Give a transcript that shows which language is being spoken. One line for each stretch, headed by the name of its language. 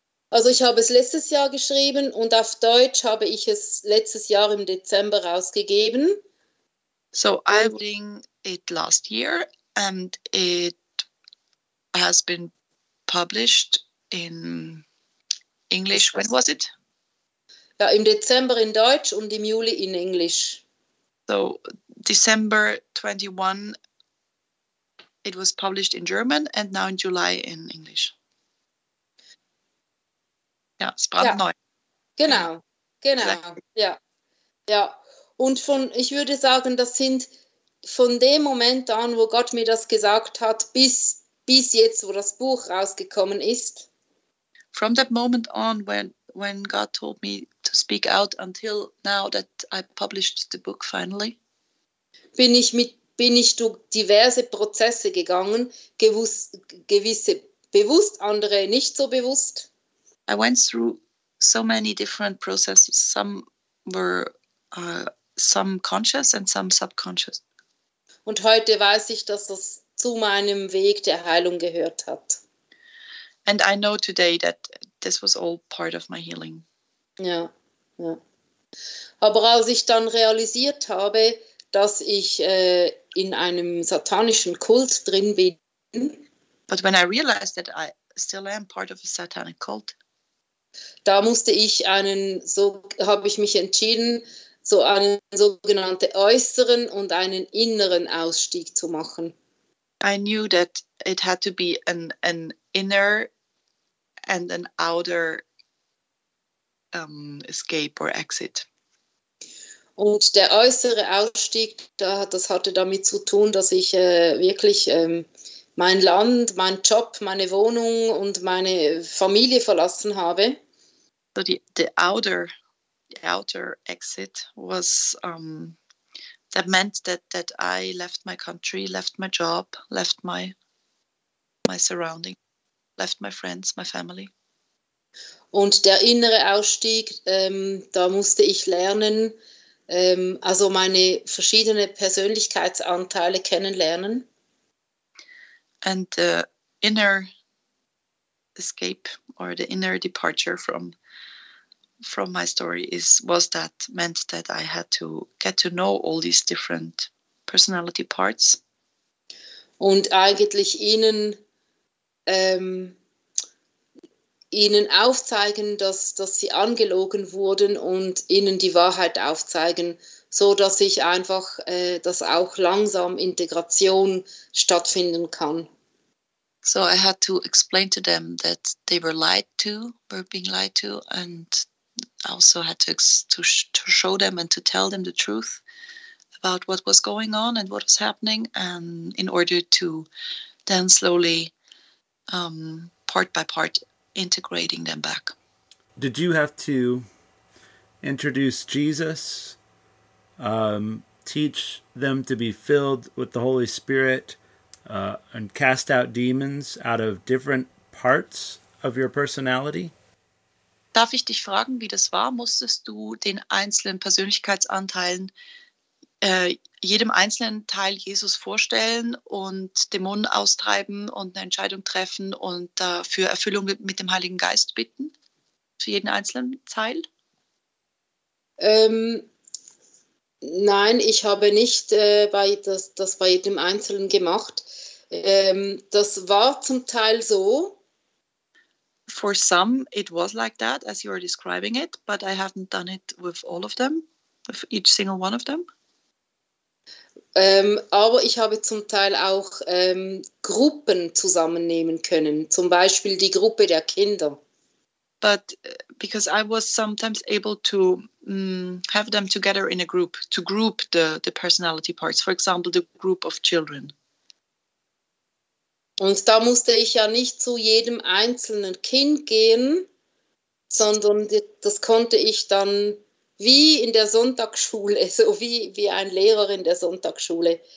German: Also ich habe es letztes Jahr geschrieben und auf Deutsch habe ich es letztes Jahr im Dezember rausgegeben.
English: So I wrote it last year and it has been published in English. When was it?
German: Ja, im Dezember in Deutsch und im Juli in Englisch.
English: So December 21 it was published in German and now in July in English.
German: Ja, es brandneu. Genau. Ja. Und ich würde sagen, das sind von dem Moment an, wo Gott mir das gesagt hat, bis jetzt, wo das Buch rausgekommen ist.
English: From that moment on, when God told me to speak out until now that I published the book finally.
German: Bin ich durch diverse Prozesse gegangen, gewisse bewusst, andere nicht so bewusst.
English: I went through so many different processes. Some were some conscious and some subconscious.
German: Und heute weiß ich, dass das zu meinem Weg der Heilung gehört hat.
English: And I know today that this was all part of my healing.
German: Ja, ja. Aber als ich dann realisiert habe, dass ich in einem satanischen Kult drin bin.
English: But when I realized that I still am part of a satanic cult.
German: Habe ich mich entschieden, so einen sogenannten äußeren und einen inneren Ausstieg zu machen.
English: I knew that it had to be an inner and an outer escape or exit.
German: Und der äußere Ausstieg, das hatte damit zu tun, dass ich wirklich mein Land, mein Job, meine Wohnung und meine Familie verlassen habe.
English: So the outer exit was that meant that I left my country, left my job, left my surrounding, left my friends, my family.
German: Und der innere Ausstieg, da musste ich lernen, also meine verschiedenen Persönlichkeitsanteile kennenlernen.
English: And the inner escape or the inner departure from my story meant that I had to get to know all these different personality parts.
German: Und eigentlich ihnen aufzeigen, dass sie angelogen wurden und ihnen die Wahrheit aufzeigen, so dass ich einfach dass auch langsam Integration stattfinden kann.
English: So I had to explain to them that they were being lied to and also had to show them and to tell them the truth about what was going on and what was happening, and in order to then slowly part by part integrating them back. Did you have to introduce Jesus, teach them to be filled with the Holy Spirit, and cast out demons out of different parts of your personality?
German: Darf ich dich fragen, wie das war? Musstest du den einzelnen Persönlichkeitsanteilen, jedem einzelnen Teil Jesus vorstellen und Dämonen austreiben und eine Entscheidung treffen und für Erfüllung mit dem Heiligen Geist bitten? Für jeden einzelnen Teil? Nein, ich habe nicht das bei jedem Einzelnen gemacht. Das war zum Teil so.
English: For some, it was like that, as you are describing it, but I haven't done it with all of them, with each single one of them.
German: Aber ich habe zum Teil auch Gruppen zusammennehmen können, zum Beispiel die Gruppe der Kinder.
English: But because I was sometimes able to have them together in a group, to group the personality parts, for example, the group of children.
German: Und da musste ich ja nicht zu jedem einzelnen Kind gehen, sondern das konnte ich dann wie in der Sonntagsschule, so wie ein Lehrer in der Sonntagsschule.